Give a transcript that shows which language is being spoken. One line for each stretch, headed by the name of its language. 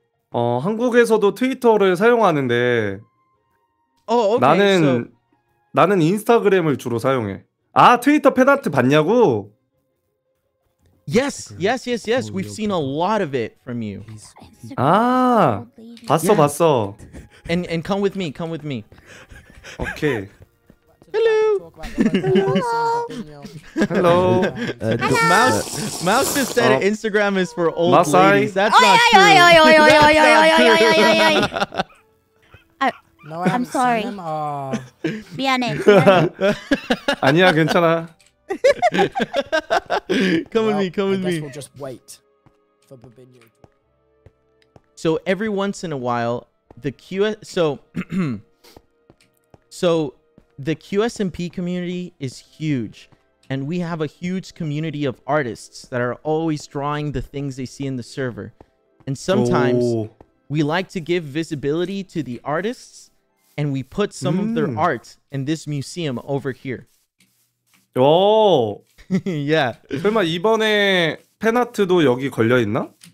Korean: 어, 한국에서도 트위터를 사용하는데
English: oh, okay.
Korean: 나는 인스타그램을 주로 사용해. 아, 트위터 팬아트 봤냐고?
English: Yes. We've seen a lot of it from you.
Korean: 아, 봤어, yeah. 봤어.
English: And come with me. Okay. Hello. Mouse just said Instagram is for old Mouse ladies. That's not true. I'm sorry.
Korean: 미안해. 아니야, 괜찮아.
English: Come with me. We'll just wait for Babinio. So every once in a while, the Qsmp community is huge, and we have a huge community of artists that are always drawing the things they see in the server. And sometimes we like to give visibility to the artists, and we put some of their art in this museum over here. Oh, yeah.
Korean: 설마 이번에 팬아트도 여기 걸려 있나?